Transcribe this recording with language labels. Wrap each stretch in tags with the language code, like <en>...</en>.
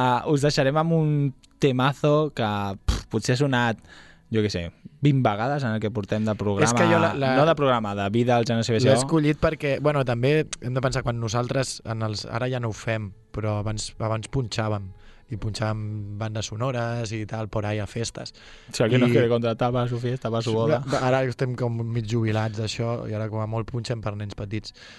<ca>Us deixarem amb un temazo que potser ha sonat, jo què sé, 20 vegades en el que portem de programa. És que jo no de programa, de vida al Genoa CBC. L'he escollit perquè, bueno, també hem de pensar quan nosaltres, ara ja no ho fem, però abans punxàvem. I punxàvem bandes sonores i tal,</ca> <es>por ahí</es> <ca>a festes. O sigui,</ca> <es>no quiere contratar para su fiesta, para su boda.</es> <ca>Ara estem com mig jubilats d'això, i ara com a molt punxem per nens petits.</ca>